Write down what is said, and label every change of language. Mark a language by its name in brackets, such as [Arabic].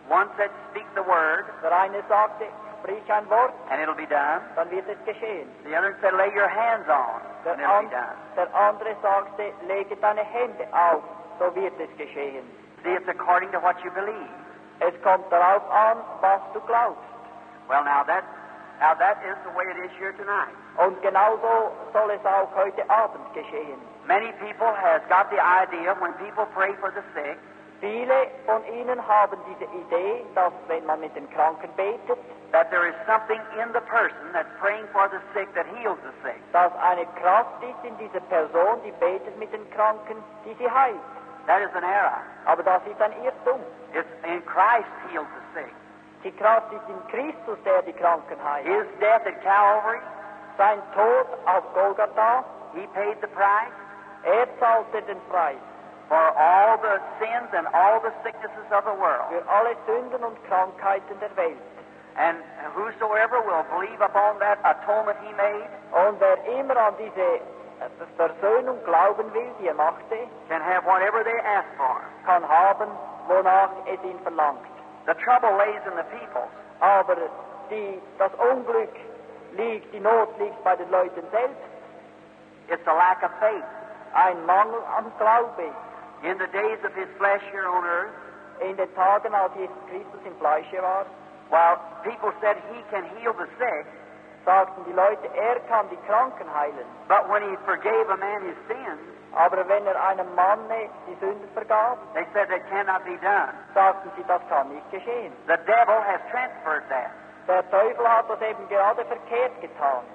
[English] One said, speak the word. [German] Der eine sagte, sprich ein Wort. [English] And it'll be done. [German] Dann wird es geschehen. [English] The other said, lay your hands on. [German] Der andere sagte, lege deine Hände auf, so wird es geschehen. [English] See, it's according to what you believe. [German] Es kommt darauf an, was du glaubst. [English] Well, now that is the way it is here tonight. [German] Und genauso soll es auch heute Abend geschehen. [English] Many people have got the idea when people pray for the sick. [German] Viele von ihnen haben diese Idee, dass wenn man mit den Kranken betet, [English] that there is something in the person that's praying for the sick that heals the sick. [German] Dass eine Kraft ist in dieser Person, die betet mit den Kranken, die sie heilt. [English] That is an error. [German] Aber das ist ein Irrtum. [English] It's in Christ heals the sick. [German] Die Kraft ist in Christus, der die Kranken heilt. [English] His death at Calvary. [German] Sein Tod auf Golgatha. [English] He paid the price. [German] Er zahlte den Preis. [English] For all the sins and all the sicknesses of the world. [German] Für alle Sünden und Krankheiten der Welt. [English] And whosoever will believe upon that atonement he made, [German] und wer immer an diese Versöhnung glauben will, die er machte, [English] can have whatever they ask for, [German] kann haben, wonach es ihn verlangt. [English] The trouble lays in the people. [German] Aber das Unglück liegt, die Not liegt bei den Leuten selbst. [English] It's a lack of faith. [German] Ein Mangel am Glauben. [English] In the days of his flesh here on earth, [German] in den Tagen, als Jesus Christus im Fleisch war, [English] while people said he can heal the sick, [German] sagten die Leute, er kann die Kranken heilen. [English] But when he forgave a man his sins, [German] aber wenn er einem Mann die Sünde vergab, [English] they said that cannot be done. [German] Sagten sie, das kann nicht geschehen. [English] The devil has transferred that. [German] Der Teufel hat das eben gerade verkehrt getan.